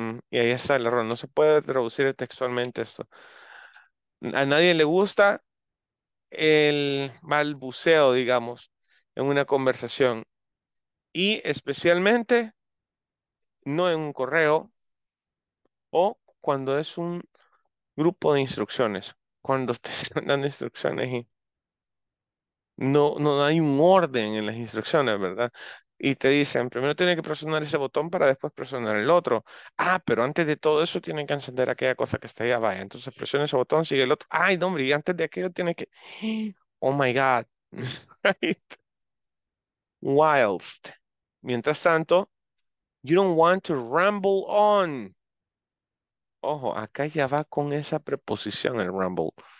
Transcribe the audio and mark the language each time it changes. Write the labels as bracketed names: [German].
[Spanish] Y ahí está el error. No se puede traducir textualmente esto. A nadie le gusta el balbuceo, digamos, en una conversación y especialmente no en un correo o cuando es un grupo de instrucciones, cuando te están dando instrucciones y no hay un orden en las instrucciones, ¿verdad? Y te dicen, primero tiene que presionar ese botón para después presionar el otro. Ah, pero antes de todo eso tiene que encender aquella cosa que está ahí abajo. Entonces presiona ese botón, sigue el otro. Ay, no, hombre, y antes de aquello tiene que. [English] Oh my God. Whilst. [Spanish] Mientras tanto, [English] you don't want to ramble on. [Spanish] Ojo, acá ya va con esa preposición el ramble.